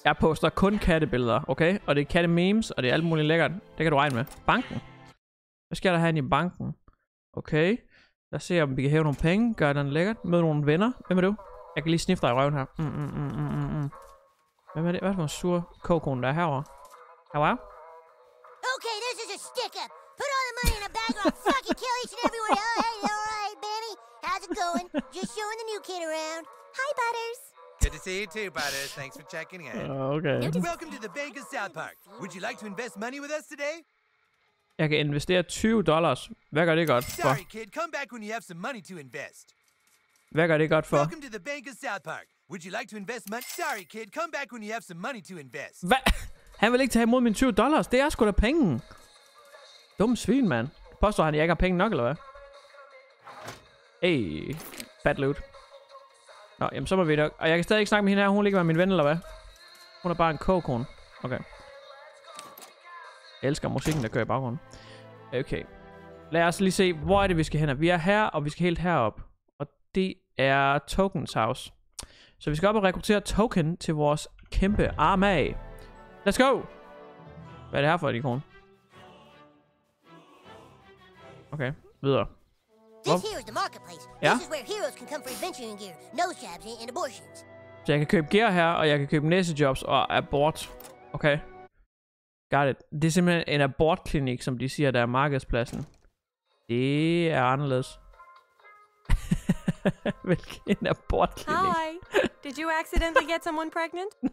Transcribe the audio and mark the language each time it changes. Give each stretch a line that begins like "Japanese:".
Danish: Jeg poster kun kattebilleder, okay? Og det er katte memes, og det er alt muligt lækkert. Det kan du regne med. Banken. Hvad skal der have i banken? Okay. Lad os se, om vi kan hæve nogle penge. Gør den lækkert. Møde nogle venner. Hvem er du? Jeg kan lige snifte dig i røven her. Hvad er det? Hvad er det for en sur kokon, der er herovre?
English: Hello? Okay, this is a stick-up. Put all the money in a bag or I'll fucking kill each and every one. Oh, hey, all right, Benny. How's it going? Just showing the new kid around. Hi, Butters. Good to see you too, Butters. Thanks for checking in. Okay. Welcome to the Vegas South Park. Would you like to invest money with us today?
Danish: Jeg kan investere $20. Hvad gør det godt for?
English: Sorry, kid. Come back when you have some money to invest.
Danish: Hvad gør det godt for?
English: Welcome to the Bank of South Park. Would you like to invest money? Sorry, kid. Come back when you have some money to invest.
Danish: Hvad? Han vil ikke tage imod mine $20. Det er sgu da penge. Dum svin, mand. Påstår han, at jeg ikke har penge nok, eller hvad?
English: Hey, bad loot.
Danish: Nå, jamen så må vi da. Og jeg kan stadig ikke snakke med hende her. Hun ligger med min ven, eller hvad? Hun er bare en kogkone. Okay. Jeg elsker musikken, der kører i baggrunden. Okay. Lad os lige se, hvor er det, vi skal hen. Vi er her, og vi skal helt herop. Og det er Tokens House. Så vi skal op og rekruttere Token til vores kæmpe armage.
English: Let's go!
Danish: Hvad er det her for et ikon? Okay, videre.
English: This here is the marketplace.
Danish: Ja.
English: This is where heroes can come for adventuring gear, nose jabs and abortions.
Danish: Så jeg kan købe gear her, og jeg kan købe næsejobs og abort.
English: Okay. Got it.
Danish: Det er simpelthen en abortklinik, som de siger, der er markedspladsen. Det er anderledes. Hvilken abortklinik?
English: Hi. Did you accidentally get someone pregnant?